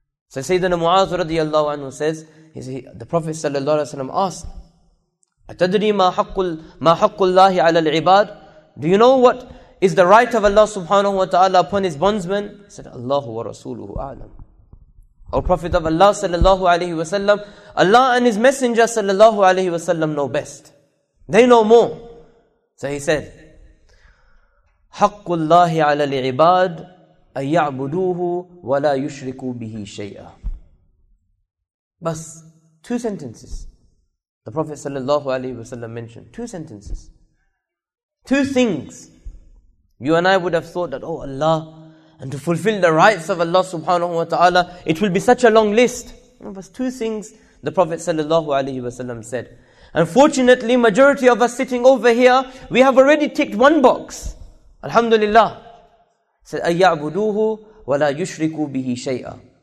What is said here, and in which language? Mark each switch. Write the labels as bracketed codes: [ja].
[en] So Sayyidina Mu'az radiallahu anhu says, the Prophet sallallahu alayhi wa sallam asked, [ar] أَتَدْرِي مَا حَقُّ اللَّهِ عَلَى الْعِبَادِ. [en] Do you know what is the right of Allah subhanahu wa ta'ala upon his bondsmen? He said, [ar] Allahu wa rasuluhu a'lam. [en] Our Prophet of Allah sallallahu alayhi wa sallam, Allah and his Messenger sallallahu alayhi wa sallam know best. They know more. So he said, [ar] حَقُّ اللَّهِ عَلَى الْعِبَادِ أَيَعْبُدُوهُ وَلَا يُشْرِكُوا بِهِ شَيْئًا. [en] Bas, two sentences. The Prophet sallallahu alaihi wasallam mentioned two sentences. Two things. You and I would have thought that, oh Allah, and to fulfill the rights of Allah subhanahu wa ta'ala, it will be such a long list. But two things the Prophet sallallahu alaihi wasallam said. Unfortunately, majority of us sitting over here, we have already ticked one box. Alhamdulillah. Said, [ar] أَيَّعْبُدُوهُ وَلَا يُشْرِكُوا بِهِ شَيْئًا.